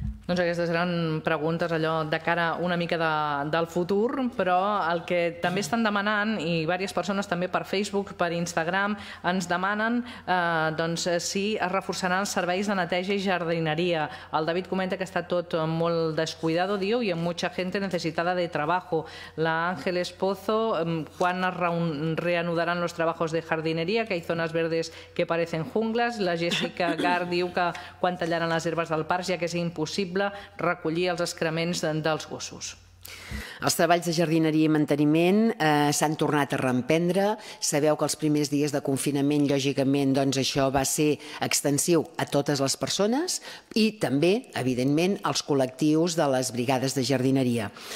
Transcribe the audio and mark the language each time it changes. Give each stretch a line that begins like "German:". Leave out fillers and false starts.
Catalan: Doncs aquestes seran preguntes allò de cara una mica del futur, però el que també estan demanant, i diverses persones també per Facebook, per Instagram, ens demanen doncs, si es reforçaran els serveis de neteja i jardineria. El David comenta que està tot molt descuidado, diu, i amb
Spanish: mucha gente necesitada de trabajo. La Ángeles Pozo, quan es reanudaran los trabajos de jardinería, que hay zonas verdes que parecen junglas.
Catalan: La Jessica Gard diu que quan tallaran les herbes del parc, ja que és impossible recollir els excrements dels gossos. Els treballs de jardineria i manteniment s'han tornat a reemprendre. Sabeu que els primers dies de confinament, lògicament, doncs això va ser extensiu a totes les persones i també, evidentment, als col·lectius de les brigades de jardineria.